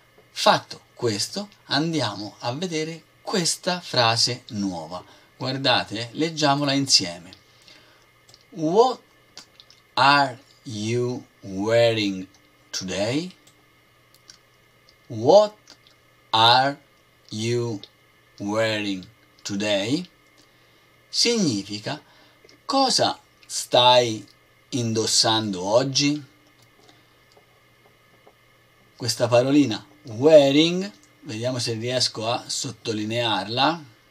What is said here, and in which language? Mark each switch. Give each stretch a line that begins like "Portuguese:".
Italian: Fatto questo, andiamo a vedere questa frase nuova. Guardate, leggiamola insieme.
English: What are you wearing today? What are you wearing today?
Italian: Significa: cosa stai indossando oggi? Questa parolina wearing, vediamo se riesco a sottolinearla.